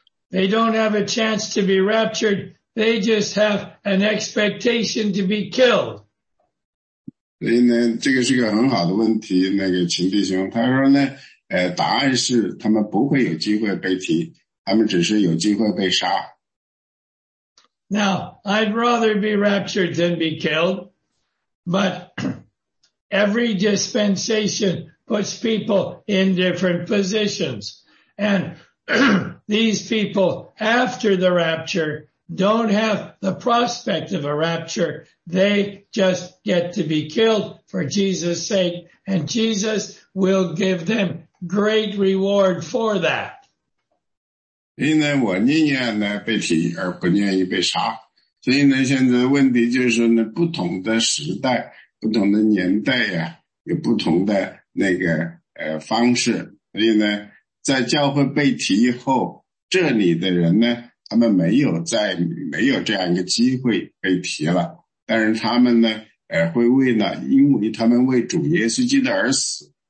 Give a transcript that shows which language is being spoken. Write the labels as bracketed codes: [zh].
[en] They don't have a chance to be raptured. They just have an expectation to be killed. [zh] 所以呢，这个是个很好的问题，那个秦弟兄，他说呢，答案是他们不会有机会被提，他们只是有机会被杀。 [en] Now, I'd rather be raptured than be killed, but every dispensation puts people in different positions. And these people after the rapture don't have the prospect of a rapture. They just get to be killed for Jesus' sake, and Jesus will give themGreat reward for that. [zh] 因为我宁愿呢被提而不愿意被杀，所以呢，现在问题就是呢，不同的时代、不同的年代呀、有不同的那个方式。所以呢，在教会被提以后，这里的人呢，他们没有这样一个机会被提了，但是他们呢，会为了，因为他们为主耶稣基督而死。